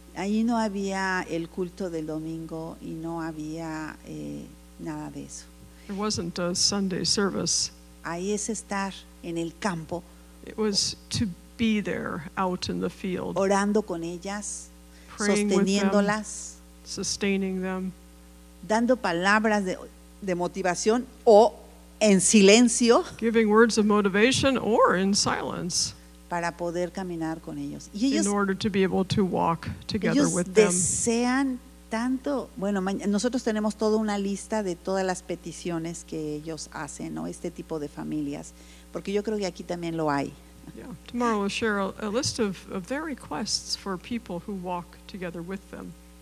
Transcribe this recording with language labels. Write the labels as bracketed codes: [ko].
[es] Ahí no había el culto del domingo y no había nada de eso. [en] There wasn't a Sunday service. [es] Ahí es estar en el campo. [en] It was to be there out in the field. [es] Orando con ellas, sosteniéndolas. [en] Sustaining them, [es] dando palabras de motivación o en silencio, [en] giving words of motivation or in silence, [es] para poder caminar con ellos. Y ellos, [en] in order to be able to walk together with them. [es] Ellos desean tanto. Bueno, nosotros tenemos toda una lista de todas las peticiones que ellos hacen, ¿no? Este tipo de familias, porque yo creo que aquí también lo hay. [en] Yeah. Tomorrow we'll share a list of their requests for people who walk together with them.